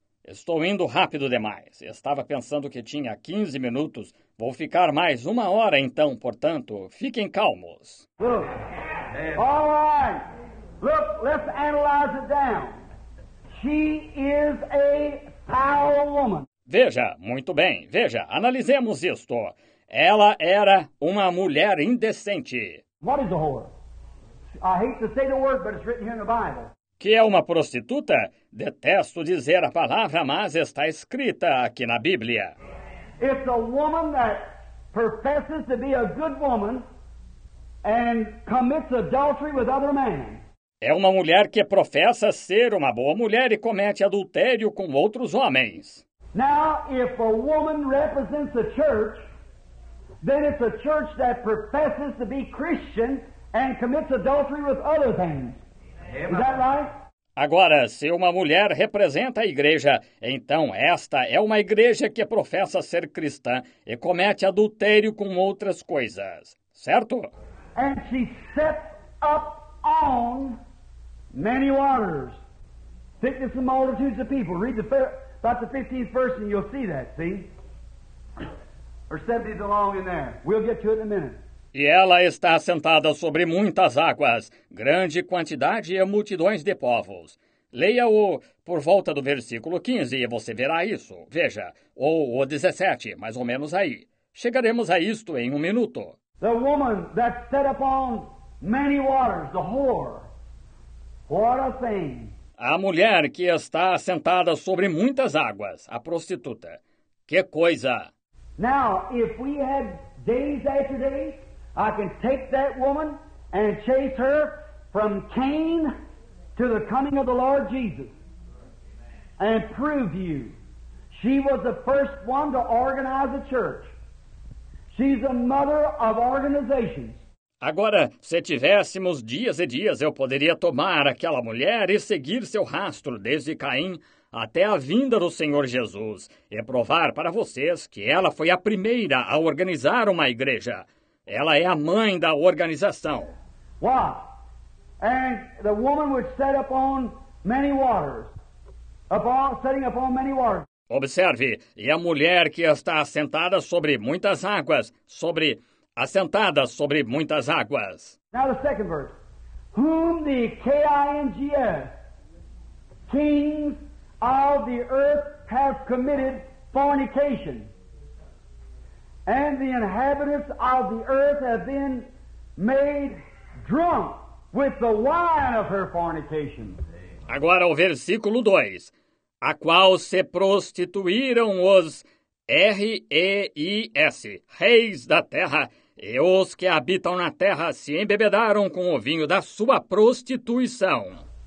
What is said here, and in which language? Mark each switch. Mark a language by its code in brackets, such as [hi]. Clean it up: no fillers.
[pt] Estou indo rápido demais. Estava pensando que tinha 15 minutos. Vou ficar mais uma hora então, portanto, fiquem calmos. [en] All right. Look, let's analyze it down. She is a foul woman. [pt] Veja, muito bem. Veja, analisemos isto. Ela era uma mulher indecente. [en] What is a whore? I hate to say the word, but it's written here in the Bible. [pt] Que é uma prostituta? Detesto dizer a palavra, mas está escrita aqui na Bíblia. [en] It's a woman that professes to be a good woman and commits adultery with other men. [pt] É uma mulher que professa ser uma boa mulher e comete adultério com outros homens. [en] Now, if a woman represents a church, then it's a church that professes to be Christian and commits adultery with other things. Is that right? [pt] Agora, se uma mulher representa a igreja, então esta é uma igreja que professa ser cristã e comete adultério com outras coisas, certo? [en] And she sets up on many waters, thickness of multitudes of people. Read about the 15th verse and you'll see that, see? Or 70 along in there. We'll get to it in a minute. [pt] E ela está assentada sobre muitas águas, grande quantidade e multidões de povos. Leia-o por volta do versículo 15 e você verá isso. Veja, ou o 17, mais ou menos aí. Chegaremos a isto em um minuto. [en] The woman that set upon many waters, the whore. What a thing. [pt] A mulher que está assentada sobre muitas águas, a prostituta. Que coisa! [en] Now, if we had days after days, I can take that woman and chase her from Cain to the coming of the Lord Jesus and prove you. She was the first one to organize a church. She's the mother of organizations. [pt] Agora, se tivéssemos dias e dias, eu poderia tomar aquela mulher e seguir seu rastro desde Caim até a vinda do Senhor Jesus e provar para vocês que ela foi a primeira a organizar uma igreja. Ela é a mãe da organização. [en] Why? And the woman which set upon many waters. Upon, setting upon many waters. [pt] Observe, e a mulher que está assentada sobre muitas águas, sobre, assentada sobre muitas águas. [en] Now the second verse. Whom the K-I-N-G-S, kings of the earth have committed fornication. And the inhabitants of the earth have been made drunk with the wine of her fornication. [pt] Agora o versículo 2. A qual se prostituíram os R-E-I-S, reis da terra, e os que habitam na terra se embebedaram com o vinho da sua prostituição.